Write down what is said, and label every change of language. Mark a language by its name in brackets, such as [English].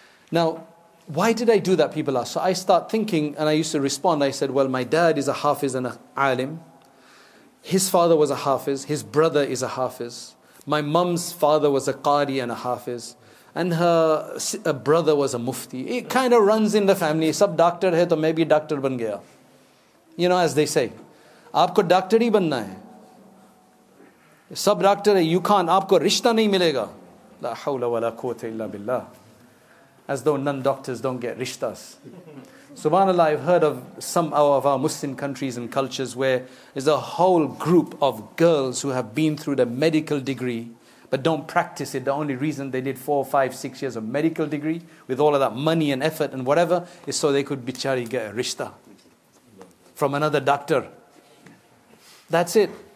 [English] Now, why did I do that, people ask? So I start thinking, and I used to respond. I said, well, my dad is a Hafiz and an Alim. His father was a Hafiz. His brother is a Hafiz. My mum's father was a Qari and a Hafiz. And her brother was a Mufti. It kind of runs in the family. [Urdu] Sub doctor ہے، تو [English] maybe [Urdu] doctor بن گیا۔ [English] You know, as they say. [Urdu] آپ کو doctor ہی بننا ہے۔ سب doctor ہے، [English] you can't. [Urdu] آپ کو رشتہ نہیں ملے گا۔ [Arabic] La hawla wa la quwwata illa billah. [English] As though non-doctors don't get rishtas. Subhanallah, I've heard of some of our Muslim countries and cultures where there's a whole group of girls who have been through the medical degree but don't practice it. The only reason they did 4, 5, 6 years of medical degree with all of that money and effort and whatever is so they could bichari get a rishta from another doctor. That's it.